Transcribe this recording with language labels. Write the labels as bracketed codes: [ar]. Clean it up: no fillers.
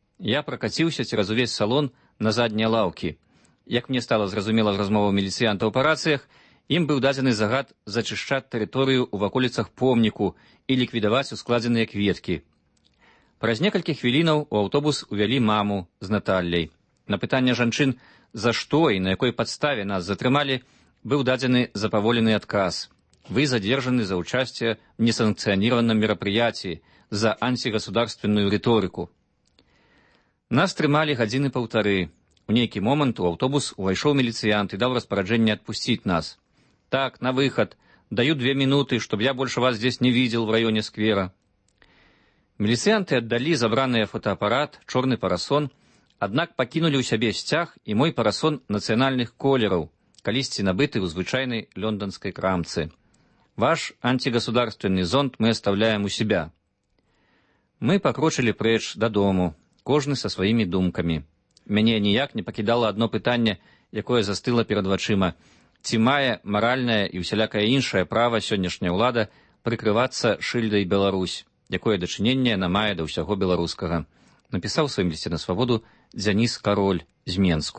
[be] Я пракаціўся цераз увесь салон на заднія лаўкі. Як мне стала зразумела з размоваў міліцыянтаў па рацыях, ім быў дадзены загад зачышчаць тэрыторыю ў ваколіцах помніку і ліквідаваць ускладзеныя кветкі. Праз некалькі хвілінаў у аўтобус увялі маму з Наталлей. На пытанне жанчын, за што і на якой падставе нас затрымалі, Был дадзены запаволены адказ. [ru] Вы задержаны за участие в несанкционированном мероприятии, за антигосударственную риторику. [be] Нас трымали гадзіны паўтары. У нейкі момант у аўтобус увайшоў міліцыянт і даў распараджэнне адпусціць нас. Так, на выхад. [ru] Даю 2 минуты, чтобы я больше вас здесь не видел в районе сквера. [be] Міліцыянты аддалі забраныя фотоапарат, чорны парасон, аднак пакінулі ў сябе сцяг і мой парасон нацыянальных колераў, калісьці набыты ў звычайнай лондонскай крамцы. [ru] Ваш антигосударственный зонт мы оставляем у себя. [be] Мы пакрочылі прэч дадому, кожны са сваімі думкамі. Мяне ніяк не пакідала адно пытанне, якое застыла перад вачыма. Ці мае маральнае і ўсялякае іншае права сённяшняя ўлада прыкрывацца шыльдай «Беларусь», якое дачыненне яна мае да ўсяго беларускага, напісаў у сваім лісце на свабоду Дзяніс Кароль з Менску.